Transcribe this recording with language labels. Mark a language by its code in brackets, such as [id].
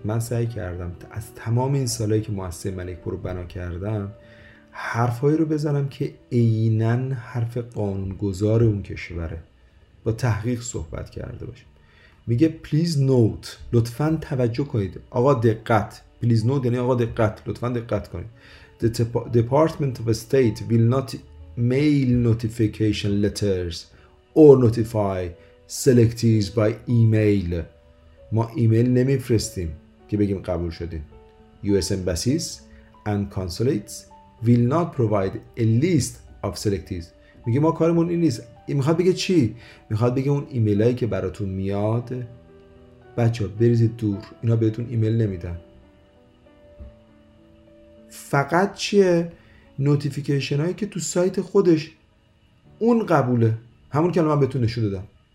[fa] من سعی کردم از تمام این سالایی که مؤسسه ملک پور رو بنا کردم حرفایی رو بزنم که عیناً حرف قانونگذار اون کشوره، با تحقیق صحبت کرده باشه. میگه [en] please note, [fa] لطفاً توجه کنید، آقا دقت. [en] please note [fa] یعنی آقا دقت، لطفاً دقت کنید. [en] The Department of State will not mail notification letters or notify selectees by email. [fa] ما ایمیل نمیفرستیم که بگیم قبول شدین. [en] US embassies and consulates will not provide a list of selectees. [fa] میگه ما کارمون این نیست. میخواد بگه چی؟ میخواد بگه اون ایمیلایی که براتون میاد، بچه‌ها بریزید دور، اینا بهتون ایمیل نمیدن. فقط چیه؟ نوتیفیکیشن هایی که تو سایت خودش اون قبوله، همون که من بهتون نشون دادم.